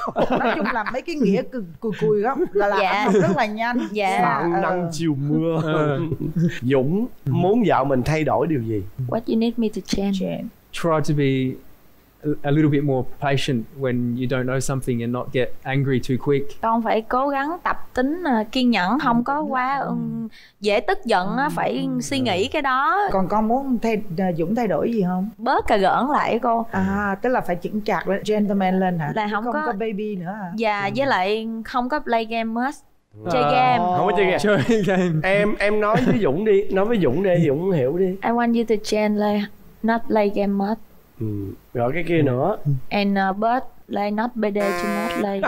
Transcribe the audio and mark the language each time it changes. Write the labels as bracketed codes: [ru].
[vi] Nói chung là mấy cái nghĩa cùi góc là làm rất là nhanh. Sáng nắng chiều mưa. Dũng muốn vợ mình thay đổi điều gì? [en] What you need me to change? Try to be a little bit more patient when you don't know something and not get angry too quick. [vi] Con phải cố gắng tập tính kiên nhẫn, không có quá dễ tức giận, phải suy nghĩ cái đó. Còn con muốn Dũng thay đổi gì không? Bớt cà gỡn lại cô. Tức là phải chững chạc lên, gentleman lên hả? Là không có baby nữa hả? Dạ, với lại không có [en] play game much. [vi] Chơi game. Không có chơi game. Chơi game. Em nói với Dũng đi, Dũng hiểu đi. [en] I want you to change, like, not play game much. [vi] Rồi cái kia nữa. And but like not bd to not like.